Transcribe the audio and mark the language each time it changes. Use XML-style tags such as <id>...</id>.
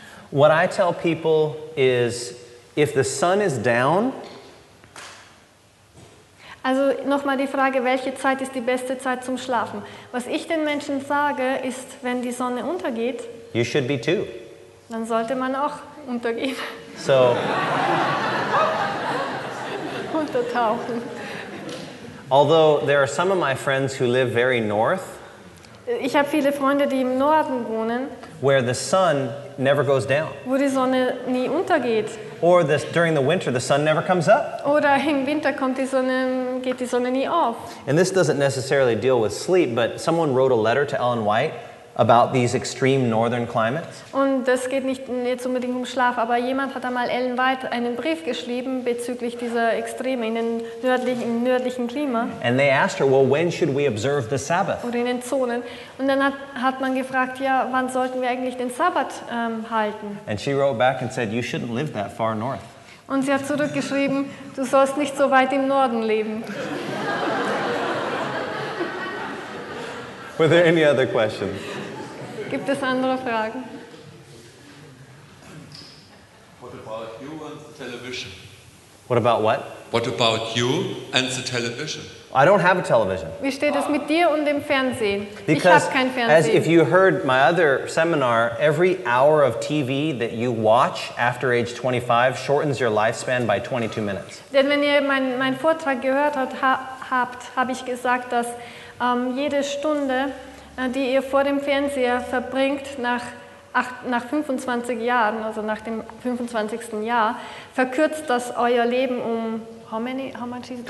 <en>What I tell people is, if the sun is down.</en> <de>Also nochmal die Frage, welche Zeit ist die beste Zeit zum Schlafen? Was ich den Menschen sage, ist, wenn die Sonne untergeht.</de> <en>You should be too.</en> <de>Dann sollte man auch untergehen.</de> <en>So.</en> <de>Untertauchen.</de> <en>Although there are some of my friends who live very north.</en> <de>Ich habe viele Freunde, die im Norden wohnen.</de> <en>Where the sun never goes down.</en> <de>Wo die Sonne nie untergeht.</de> <en>Or during the winter the sun never comes up.</en> <de>Oder im Winter geht die Sonne nie auf.</de> <en>And this doesn't necessarily deal with sleep, but someone wrote a letter to Ellen White about these extreme northern climates.</en> <de>Und das geht nicht jetzt unbedingt um Schlaf, aber jemand hat einmal Ellen White einen Brief geschrieben bezüglich dieser Extreme in den nördlichen Klima.</de> <en>And they asked her, well, when should we observe the Sabbath?</en> <de>Oder in den Zonen. Und dann hat man gefragt, ja, wann sollten wir eigentlich den Sabbat halten?</de> <en>And she wrote back and said, you shouldn't live that far north.</en> <de>Und sie hat zurückgeschrieben, du sollst nicht so weit im Norden leben.</de> <en>Were there any other questions?</en> <de>Gibt es andere Fragen?</de> <en>What about you and the television? What about what? What about you and the television? I don't have a television.</en> <de>Wie steht es mit dir und dem Fernsehen?</de> <en>Because</en> <de>ich habe kein Fernsehen.</de> <en>As if you heard my other seminar, every hour of TV that you watch after age 25 shortens your lifespan by 22 minutes.</en> <de>Denn wenn ihr mein Vortrag gehört habt, habe ich gesagt, dass jede Stunde, die ihr vor dem Fernseher verbringt, nach 25 Jahren, also nach dem 25. Jahr, verkürzt das euer Leben um</de> <en>how much is that?</en>